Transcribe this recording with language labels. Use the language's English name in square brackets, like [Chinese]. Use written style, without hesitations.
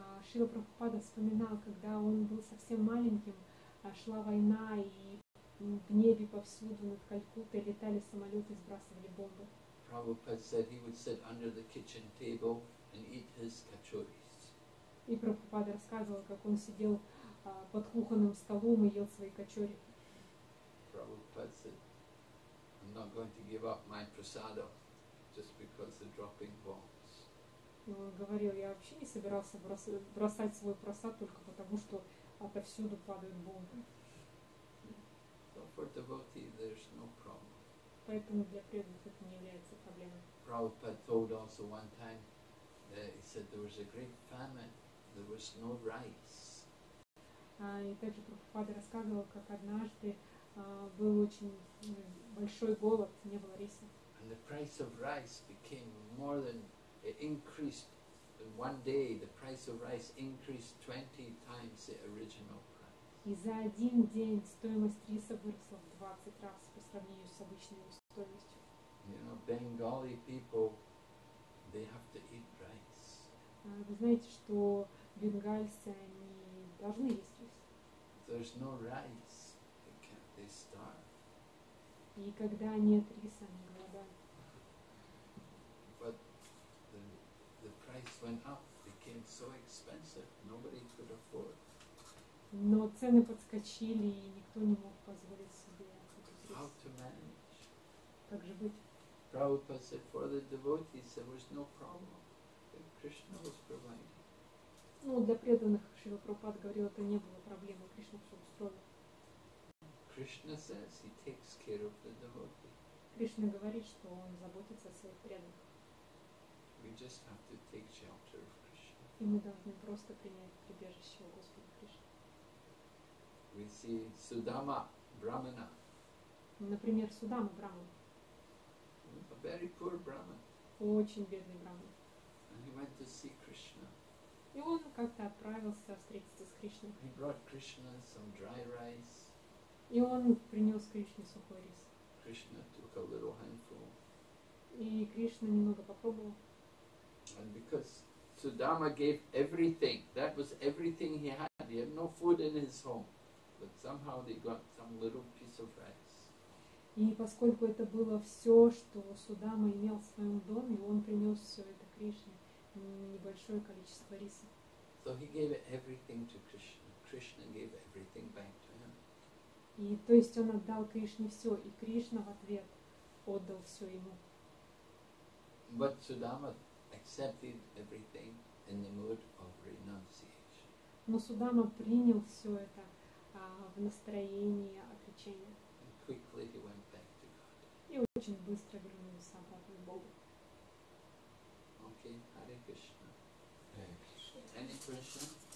[Russian] Шрила Прабхупада вспоминал, когда он был совсем маленьким, шла война и в небе повсюду над Калькуттой летали самолеты, сбрасывали бомбы. [English] Prabhupada said he would sit under the kitchen table and eat his kachoris. [Russian] И Прабхупада рассказывал, как он сидел под кухонным столом и ел свои качори. [English] Prabhupada said, I'm not going to give up my prasadam just because they're dropping bombs. [Russian] И он говорил, я вообще не собирался бросать свой прасад только потому, что отовсюду падают бомбы. [English] For devotee, there is no problem. [Russian] Поэтому для преданных это не является проблемой. [English] Prabhupada told also one time, he said there was a great famine, there was no rice. [Russian] И также Прабхупада рассказывал, как однажды был очень большой голод, не было риса. [English] And the price of rice became more than, it increased one day the price of rice increased 20 times the original price. [Russian] И за один день стоимость риса выросла в 20 раз по сравнению с обычной стоимостью. [English] You know, Bengali people, they have to eat rice. [Russian] Вы знаете, что бенгальцы, они должны есть рис. [English] There's no rice, they can't, they starve. [Russian] И когда нет риса, они голодают. [English] But the price went up, became so expensive, nobody could afford. [Russian] Но цены подскочили, и никто не мог позволить себе этот рис. [English] How to manage? [Russian] Как же быть? [English] Prabhupada said, for the devotees, there was no problem. That Krishna was providing. [Russian] Ну, для преданных, Шрила Прабхупада говорил, это не было проблемы, Кришна все устроил. [English] Krishna says he takes care of the devotee. [Russian] Кришна говорит, что он заботится о своих преданных. [English] We just have to take shelter of Krishna. [Russian] И мы должны просто принять прибежище у Господа Кришны. [English] We see Sudama Brahmana. [Russian] Например, Судама Брахмана. [English] A very poor Brahmin. [Russian] Очень бедный Брахмин. [English] And he went to see Krishna. [Russian] И он как-то отправился встретиться с Кришной. [English] He brought Krishna some dry rice. [Russian] И он принес Кришне сухой рис. [English] Krishna took a little handful. [Russian] И Кришна немного попробовал. [English] And because Sudama gave everything, that was everything he had. He had no food in his home. But somehow they got some little piece of rice. [Russian] И поскольку это было все, что Судама имел в своем доме, он принес все это Кришне, небольшое количество риса. [English] So he gave everything to Krishna. Krishna gave everything back to him. [Russian] И то есть он отдал Кришне все, и Кришна в ответ отдал все ему. [English] But Sudama accepted everything in the mood of renunciation. [Russian] Но Судама принял все это в настроении отречения. [English] Quickly he went back to God. [Russian] И очень быстро вернулся обратно к Богу. [English] Okay, Hare Krishna. Hare Krishna. Any question?